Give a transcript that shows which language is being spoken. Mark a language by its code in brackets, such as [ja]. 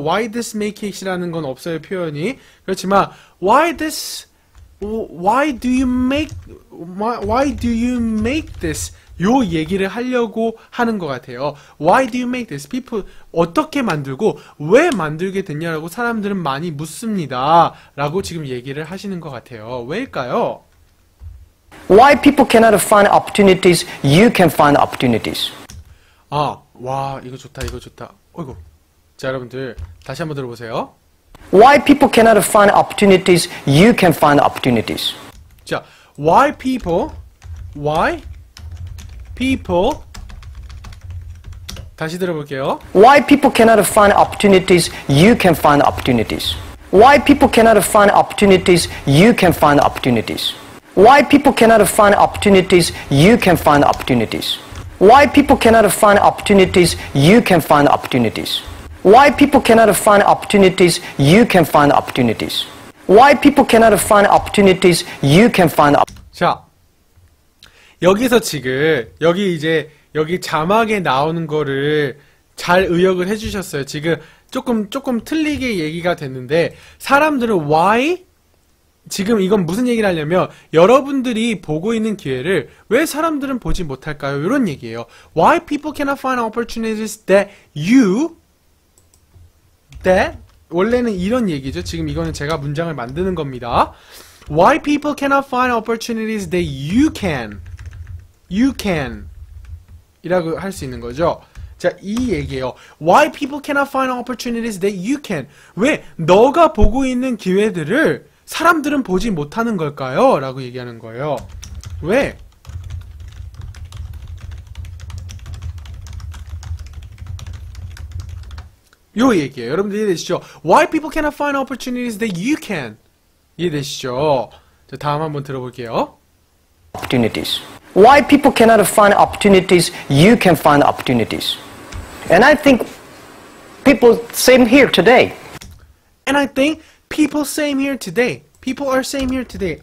[en] Why this make it [ko] 이라는 건 없어요, 표현이. 그렇지만 [en] why this why do you make why do you make this? [ko] 요 얘기를 하려고 하는 것 같아요. [en] Why do you make this? [ko] People 어떻게 만들고 왜 만들게 됐냐라고 사람들은 많이 묻습니다. 라고 지금 얘기를 하시는 것 같아요. 왜일까요? [en] Why people cannot find opportunities, you can find opportunities. [ko] 아, 와, 이거 좋다, 이거 좋다. 어이구. 자, 여러분들, 다시 한번 들어보세요. [en] Why people cannot find opportunities, you can find opportunities. 자, why people, why people, [ko] 다시 들어볼게요. [en] Why people cannot find opportunities, you can find opportunities. Why people cannot find opportunities, you can find opportunities. Why people cannot find opportunities, you can find opportunities. Why people cannot find opportunities, you can find opportunities. Why people cannot find opportunities, you can find opportunities. Why people cannot find opportunities, you can find opportunities. [ko] 자, 여기서 지금, 여기 이제, 여기 자막에 나오는 거를 잘 의역을 해주셨어요. 지금 조금 틀리게 얘기가 됐는데, 사람들은 why? 지금 이건 무슨 얘기를 하냐면 여러분들이 보고 있는 기회를 왜 사람들은 보지 못할까요? 이런 얘기예요. [en] Why people cannot find opportunities that you that [ko] 원래는 이런 얘기죠. 지금 이거는 제가 문장을 만드는 겁니다. [en] Why people cannot find opportunities that you can [ko] 이라고 할 수 있는 거죠. 자, 이 얘기예요. [en] Why people cannot find opportunities that you can? [ko] 왜 너가 보고 있는 기회들을 사람들은 보지 못하는 걸까요? 라고 얘기하는 거예요. 왜? y 얘기예요. 여러분들 이해되시죠? [en] Why people cannot find opportunities that you can? [ko] 이해되시죠? 자, 다음 한번 들어볼게요. [en] Opportunities. Why people cannot find opportunities? You can find opportunities. And I think people same here today. And I think people same here today. People are same here today.